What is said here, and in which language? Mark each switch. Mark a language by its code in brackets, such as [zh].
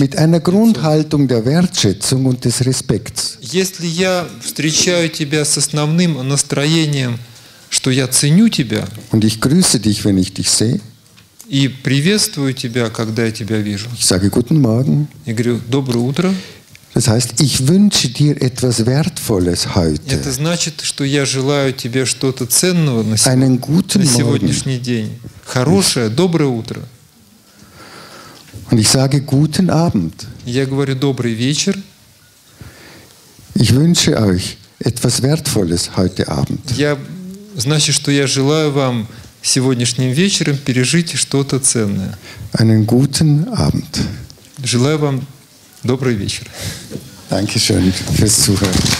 [de] Mit einer Grundhaltung der Wertschätzung und des Respekts. [ru] Если я встречаю тебя с основным настроением, что я ценю тебя, [de] und ich grüße dich, wenn ich dich sehe, [ru] и приветствую тебя, когда я тебя вижу. [de] Ich sage guten Morgen. [ru] И говорю, доброе утро. [de] Das heißt, ich wünsche dir etwas Wertvolles heute. [ru] Это значит, что я желаю тебе что-то ценного на сегодняшний [de] Morgen. [ru] День. Хорошее, доброе утро. [de] Und ich sage guten Abend. [ru] Я говорю добрый вечер. [de] Ich wünsche euch etwas Wertvolles heute Abend. [ru] Я, значит, что я желаю вам сегодняшним вечером пережить что-то ценное. [de] Einen guten Abend. [ru] Желаю вам добрый вечер. [de] Danke schön fürs Zuhören.